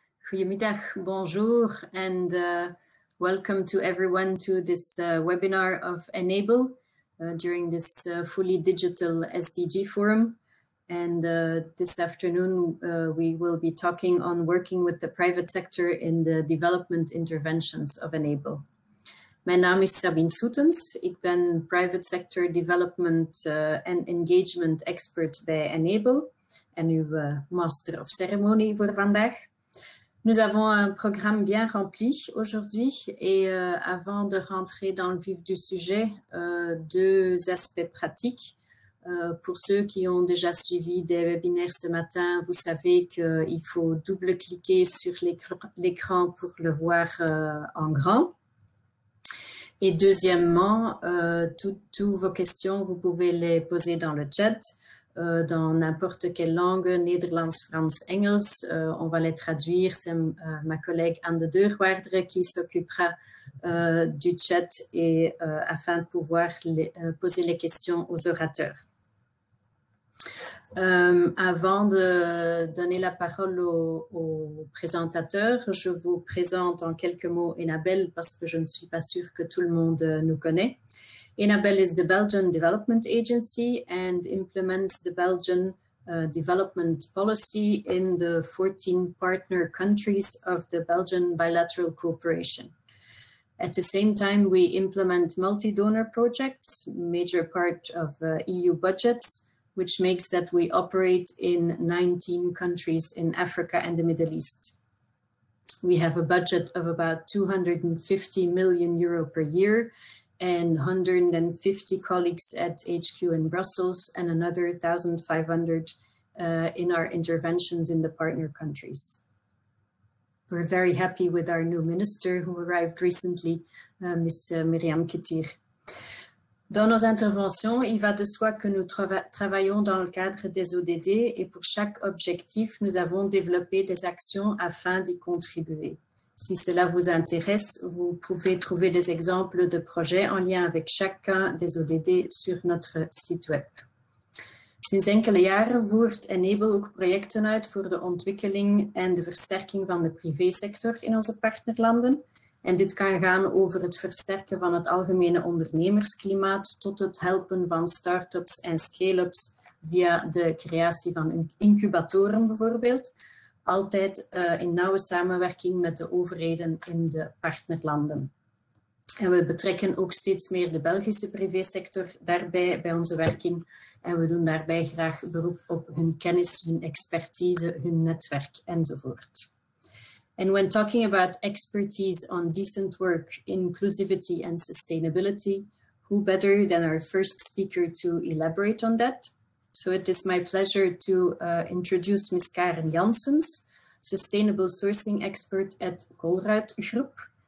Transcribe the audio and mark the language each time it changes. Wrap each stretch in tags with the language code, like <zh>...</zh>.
<en>Goedemiddag, bonjour, and welcome to everyone to this webinar of Enable during this fully digital SDG forum. And this afternoon, we will be talking on working with the private sector in the development interventions of Enable.</en> <nl>Mijn naam is Sabine Soetens. Ik ben</nl> <en>private sector development and engagement expert</en> <nl>bij Enable. En uw master of ceremony voor vandaag.</nl> <fr>Nous avons un programme bien rempli aujourd'hui et avant de rentrer dans le vif du sujet, deux aspects pratiques. Pour ceux qui ont déjà suivi des webinaires ce matin, vous savez qu'il faut double-cliquer sur l'écran pour le voir en grand. Et deuxièmement, toutes vos questions, vous pouvez les poser dans le chat. Dans n'importe quelle langue, Nederlands, Frans, Engels. On va les traduire. C'est ma collègue Anne de Deurwaarder qui s'occupera du chat et afin de pouvoir poser les questions aux orateurs. Avant de donner la parole au présentateur, je vous présente en quelques mots Enable parce que je ne suis pas sûre que tout le monde nous connaît.</fr> <en>Enable is the Belgian Development Agency and implements the Belgian development policy in the 14 partner countries of the Belgian bilateral cooperation. At the same time, we implement multi-donor projects, major part of EU budgets, which makes that we operate in 19 countries in Africa and the Middle East. We have a budget of about 250 million euro per year, and 150 colleagues at HQ in Brussels and another 1,500 in our interventions in the partner countries. We're very happy with our new minister who arrived recently, Ms. Myriam Kittir.</en> <fr>Dans nos interventions, il va de soi que nous travaillons dans le cadre des ODD et pour chaque objectif, nous avons développé des actions afin d'y contribuer. Si cela vous intéresse, vous pouvez trouver des exemples de projets en lien avec chacun des ODD sur notre site web.</fr> <nl>Sinds enkele jaren voert Enable ook projecten uit voor de ontwikkeling en de versterking van de privésector in onze partnerlanden. En dit kan gaan over het versterken van het algemene ondernemersklimaat tot het helpen van start-ups en scale-ups via de creatie van incubatoren bijvoorbeeld. Altijd in nauwe samenwerking met de overheden in de partnerlanden. En we betrekken ook steeds meer de Belgische privésector daarbij bij onze werking. En we doen daarbij graag beroep op hun kennis, hun expertise, hun netwerk enzovoort.</nl> <en>And when talking about expertise on decent work, inclusivity and sustainability, who better than our first speaker to elaborate on that? So it is my pleasure to introduce Ms. Karen Janssens, sustainable sourcing expert at Colruyt Group.</en>